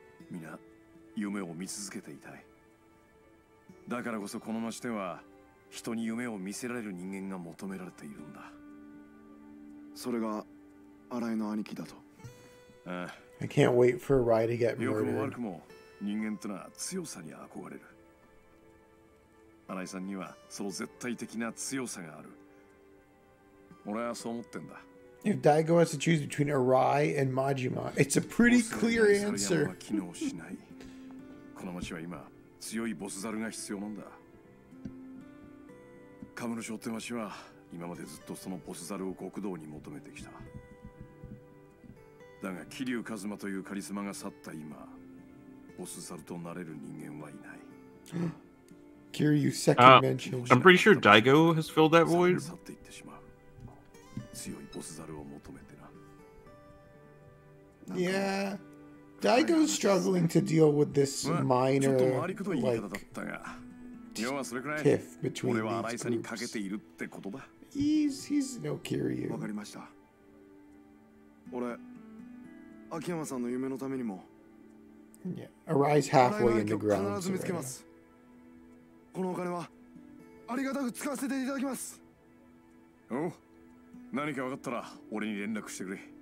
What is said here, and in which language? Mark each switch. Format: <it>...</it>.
<ja>みんな夢を見続けていたい。だからこそこの町では人に夢を見せられる人間が求められているんだ。それが荒井の兄貴だと。</ja> <en>I can't wait for Rye to get murdered.</en> <ja>よくも悪くも人間ってのは強さに憧れる。荒井さんにはその絶対的な強さがある。俺はそう思ってんだ。</ja> <en>If Daigo has to choose between Arai and Majima, it's a pretty clear answer.</en> <ja>この町は今、強いボスザルが必要なんだ。カムロ町って町は、今までずっとそのボスザルを極道に求めてきた。だが、キリュウカズマというカリスマが去った今、ボスザルとなれる人間はいない。</ja> <en>キリュウ、second mention. I'm pretty sure Daigo has filled that void.</en> <ja>去っていってしまう。強いボスザルを求めてな。</ja> <en>Yeah, Daigo's struggling to deal with this minor tiff between these groups. He's no Kiryu.</en> <ja>わかりました。俺、秋山さんの夢のためにも。</ja> <en>Yeah, Arise halfway in the ground.</en> <ja>このお金はありがたく使わせていただきます。お。何か分かったら俺に連絡してくれ。</ja>